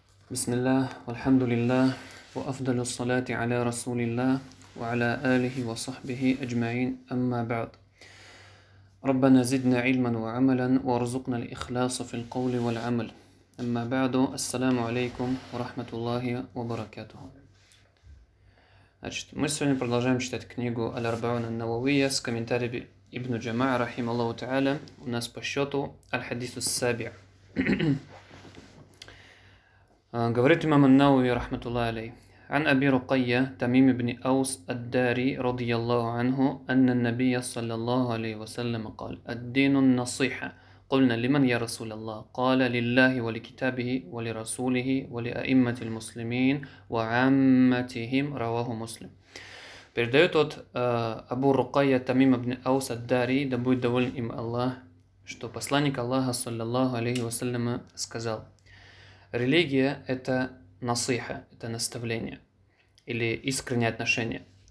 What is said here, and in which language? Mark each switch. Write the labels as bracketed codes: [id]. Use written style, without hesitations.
[ar] بسم الله والحمد لله وأفضل الصلاة على رسول الله وعلى آله وصحبه أجمعين أما بعد ربنا زدنا علما وعملا وارزقنا الإخلاص في القول والعمل أما بعد السلام عليكم ورحمة الله وبركاته. [ru] Значит, мы сегодня продолжаем читать книгу Al-Arba'un al-Nawawiyya с комментариями Ибн Джама'а, рахималлаху та'аля. У нас по счету [ar] Al-Hadithu al-Sabi'a. [ru] Говорит имам ан-Науви, рахматуллах алей. [ar] عن أبي رقية تميم بن أوس الداري رضي الله عنه أن النبي صلى الله عليه وسلم قال الدين النصيحة قلنا لمن يا رسول الله قال لله ولكتابه ولرسوله ولأئمة المسلمين وعامتهم رواه مسلم. [ru] Передает от Абу Рукайя Тамим ибн Аус ад-Дари, да будет доволен им Аллах, что посланник Аллаха саллаллаху алейхи ва саллям сказал: религия – это насиха, это наставление или искреннее отношение.